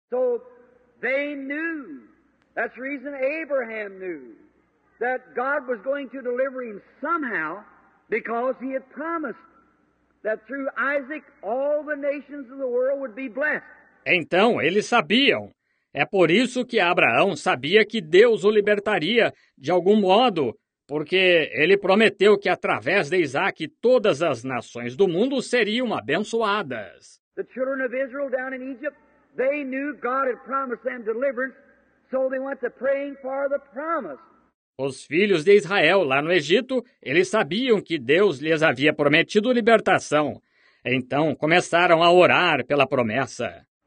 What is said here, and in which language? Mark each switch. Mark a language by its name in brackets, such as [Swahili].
[English] So they knew. That's the reason Abraham knew that God was going to deliver him somehow because he had promised that through Isaac, all the nations of the world would be blessed. [Portuguese] Então, eles sabiam. É por isso que Abraão sabia que Deus o libertaria, de algum modo, porque ele prometeu que através de Isaac, todas as nações do mundo seriam abençoadas. [English] The children of Israel down in Egypt, they knew God had promised them deliverance, so they went to praying for the promise. [Portuguese] Os filhos de Israel, lá no Egito, eles sabiam que Deus lhes havia prometido libertação. Então, começaram a orar pela promessa.